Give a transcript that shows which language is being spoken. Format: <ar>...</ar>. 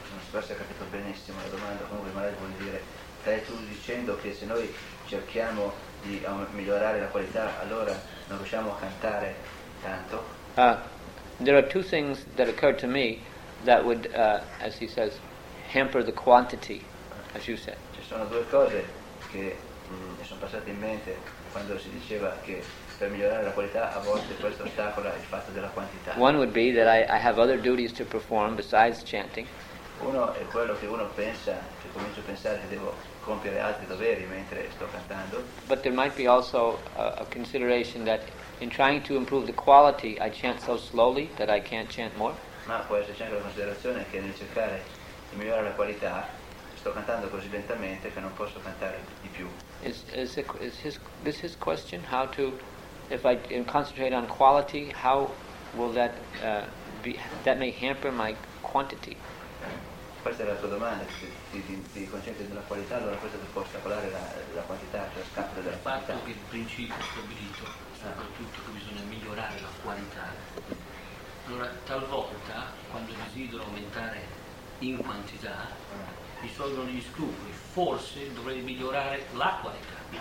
<it>Forse ho capito benissimo la domanda, comunque magari vuol dire, stai tu dicendo che se noi cerchiamo di migliorare la qualità, allora non riusciamo a cantare tanto?</it> <en>There are two things that occur to me that would, as he says, hamper the quantity, as you said.</en> <it>Ci sono due cose che mi sono passate in mente quando si diceva che per migliorare la qualità a volte questo ostacola il fatto della quantità.</it> <en>One would be that I have other duties to perform besides chanting.</en> <it>Uno è quello che uno pensa, che comincio a pensare che devo compiere altri doveri mentre sto cantando.</it> <en>But there might be also a consideration that in trying to improve the quality I chant so slowly that I can't chant more.</en> <it>Ma può esserci anche la considerazione che nel cercare di migliorare la qualità sto cantando così lentamente che non posso cantare di più.</it> <en>Is this his question? How to, if I concentrate on quality, how will that be, that may hamper my quantity?</en> <it>Questa è la tua domanda, ti concentri sulla qualità, allora questo può ostacolare la quantità, cioè scappare dalla quantità. Il fatto che il principio stabilito, soprattutto che bisogna migliorare la qualità, allora talvolta quando desidero aumentare in quantità, mi sorgono gli scrupoli, forse dovrei migliorare la qualità.</it>